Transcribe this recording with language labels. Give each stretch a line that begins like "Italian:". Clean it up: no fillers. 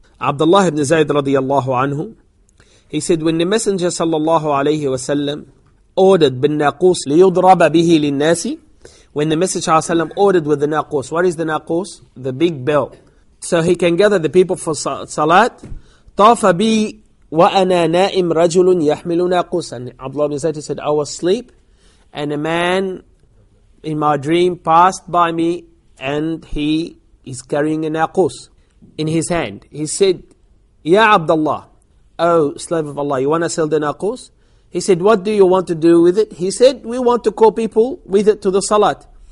English: Abdullah ibn Zayd radiallahu anhu, he said, when the Messenger sallallahu alayhi wa sallam ordered
Arabic: bin naqus liyudraba bihi linnasi,
English: when the Messenger sallallahu alayhi wa ordered with the naqus, what is the naqus? The big bell, so he can gather the people for salat.
Arabic: Tafa bi وَأَنَا نَائِمْ رَجُلٌ يَحْمِلُ نَاقُوسًا.
English: Abdullah ibn Zayd said, I was asleep and a man in my dream passed by me and he is carrying a naqus in his hand. He said, Ya Abdullah, O slave of Allah, you want to sell the naqus? He said, what do you want to do with it? He said, we want to call people with it to the salat.